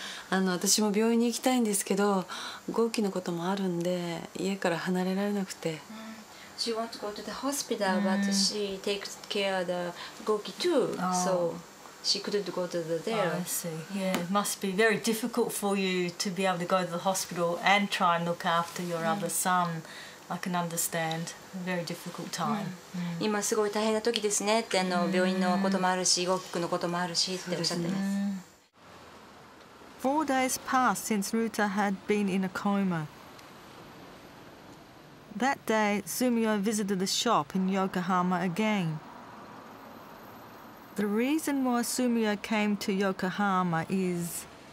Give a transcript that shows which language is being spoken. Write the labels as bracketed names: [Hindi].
[Japanese] 私も病院に行きたいんですけど、豪輝のこともあるんで家から離れられなくて。 [English] She wants to go to the hospital, but she takes care of the Goki too, so she couldn't go to the there. Oh, I see. Yeah, must be very difficult for you to be able to go to the hospital and try and look after your other son. I can understand. Very difficult time. [Japanese] 今すごい大変な時ですねって、病院のこともあるし、Goki のこともあるしっておっしゃってます。 [English] 4 days passed since Ruta had been in a coma. That day, Sumio visited the shop in Yokohama again. The reason why Sumio came to Yokohama is...